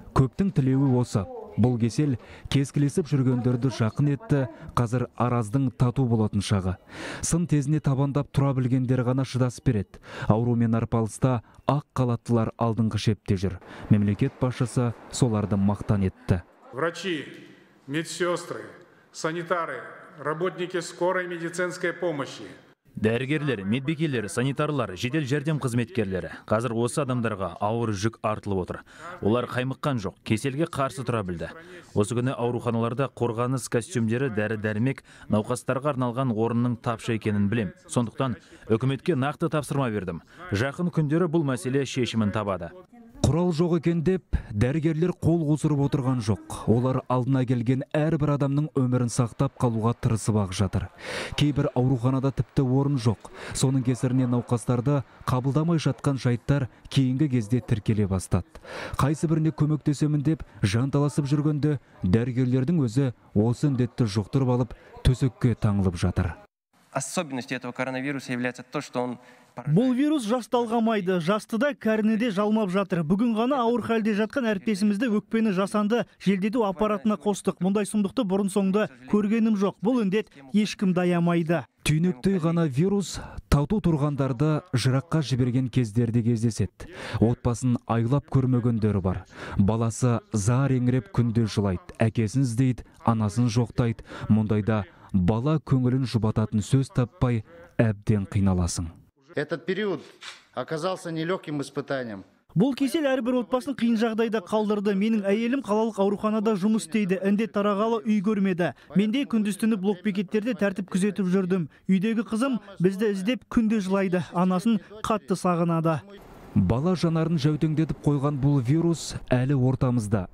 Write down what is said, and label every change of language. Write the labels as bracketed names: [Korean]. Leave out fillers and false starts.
[Kazakh] Көптің тілеуі осы. Бұл кесел кескілесіп жүргендерді жақын етті, қазір араздың тату болатын шағы. Сын тезіне табандап тұра білгендер ғана шыдасып береді. Аурумен арпалыста ақ қалаттылар алдыңғы шепте жүр. Мемлекет басшысы соларды мақтан етті. [Russian] Врачи, медсестры, санитары, работники скорой медицинской помощи. [Kazakh] Дәрігерлер, медбикелер, санитарлар, жедел жәрдем қызметкерлері қазір осы адамдарға ауыр жүк артылып отыр. Олар қаймыққан жоқ, кеселге қарсы тұра білді. Осы күні ауруханаларда қорғаныс костюмдері, дәрі-дәрмек науқастарға арналған орынның тапшы екенін білем. Сондықтан үкіметке нақты тапсырма бердім. Жақын күндері бұл мәселе шешімін табады. Құрал жоқ екен деп, дәрігерлер қол қусырып отырған жоқ. Олар алдына келген әрбір адамның өмірін сақтап қалуға тырысып ақ жатыр. Кейбір ауруханада тіпті орын жоқ. Соның кесірінен науқастарды қабылдамай жатқан жайттар кейінгі кезде тіркеле бастады. Қайсы біріне көмектесемін деп жанталасып жүргенде, дәрігерлердің өзі осы індетті жұқтырып алып, төсекке таңылып жатыр. [Russian] Особенность этого коронавируса является то, что он [Kazakh] Бұл вирус жасталғамайды, жасты да кәріні де жалмап жатыр. Бүгін ғана ауыр халде жатқан әріптесімізді өкпені жасанды желдету аппаратына қостық. Мұндай сұмдықты бұрын соңды көргенім жоқ. Бұл індет ешкім даямайды. Түйнектей ғана вирус тату тұрғандарды жыраққа жіберген кездерде кездеседі. Отбасын айлап көрмегендер бар. Баласы зар еңіреп күнде жылайды, әкесін іздейді, анасын жоқтайды. Мұндайда бала көңілін жұбататын сөз таппай әбден қиналасың. [Russian] Этот период оказался нелегким испытанием. [Kazakh] Бұл кесел әрбір отбасын қиын жағдайда қалдырды. Менің әйелім қалалық ауруханада жұмыс істейді. Індет тарағалы үй көрмеді. Менде күндіз-түні блокбекеттерде тәртіп күзетіп жүрдім. Үйдегі қызым бізді іздеп күнде жылайды. Анасын қатты сағынады. Бала жанарын жәутеңдетіп қойған бұл вирус әлі ортамызда.